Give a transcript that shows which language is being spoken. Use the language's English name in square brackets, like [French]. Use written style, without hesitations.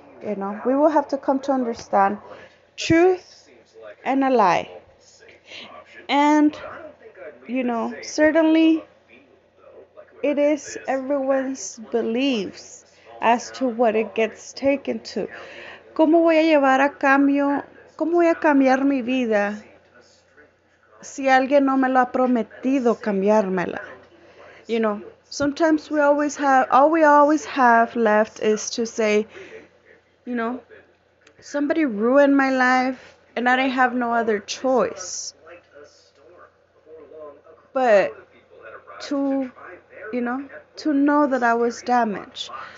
[English] You know, we will have to come to understand truth and a lie. And, you know, certainly it is everyone's beliefs as to what it gets taken to. [Spanish] ¿Cómo voy a llevar a cambio? ¿Cómo voy a cambiar mi vida si alguien no me lo ha prometido cambiármela? [English] You know, sometimes all we always have left is to say, you know, somebody ruined my life and I didn't have no other choice. But to, you know, to know that I was damaged.